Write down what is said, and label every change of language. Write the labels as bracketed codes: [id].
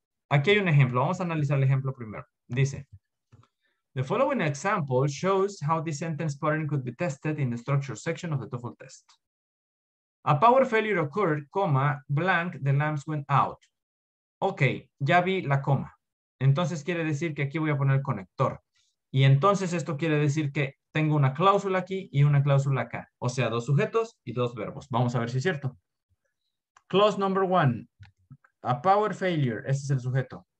[es] Aquí hay un ejemplo, vamos a analizar el ejemplo primero. [en] Dice: The following example shows how this sentence pattern could be tested in the structure section of the TOEFL test. A power failure occurred, comma, blank, the lamps went out. [es] Ok, ya vi la coma. Entonces quiere decir que aquí voy a poner el conector. Y entonces esto quiere decir que tengo una cláusula aquí y una cláusula acá. O sea, dos sujetos y dos verbos. Vamos a ver si es cierto. [en] Clause number one. A power failure. [es] Ese es el sujeto.